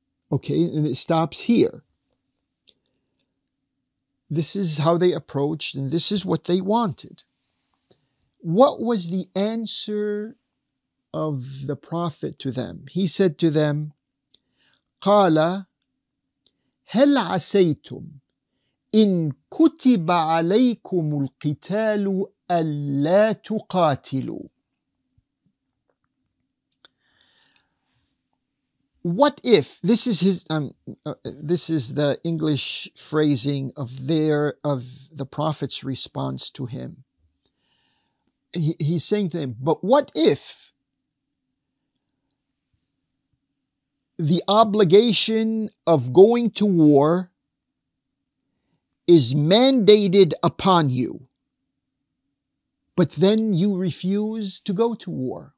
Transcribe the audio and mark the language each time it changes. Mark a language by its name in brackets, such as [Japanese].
[English] Okay, and it stops here. This is how they approached, and this is what they wanted. What was the answer of the Prophet to them? He said to them, [Arabic] قَالَ هَلْ عَسَيْتُمْ إِن كُتِبَ عَلَيْكُمُ الْقِتَالُ أَلَّا تُقَاتِلُوا. [English] What if, this is his, this is the English phrasing of their, of the Prophet's response to him. He's saying to him, but what if the obligation of going to war is mandated upon you, but then you refuse to go to war?